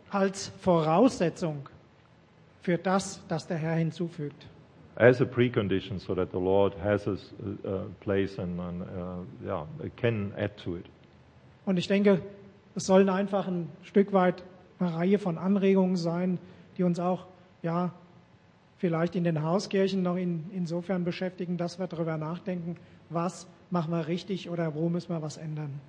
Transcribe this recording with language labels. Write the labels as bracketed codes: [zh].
[de] Als Voraussetzung für das, dass der Herr hinzufügt. [en] As a precondition so that the Lord has a place and can add to it. [de] Und ich denke, es sollen einfach ein Stück weit eine Reihe von Anregungen sein, die uns auch ja vielleicht in den Hauskirchen noch insofern beschäftigen, dass wir darüber nachdenken, was machen wir richtig oder wo müssen wir was ändern.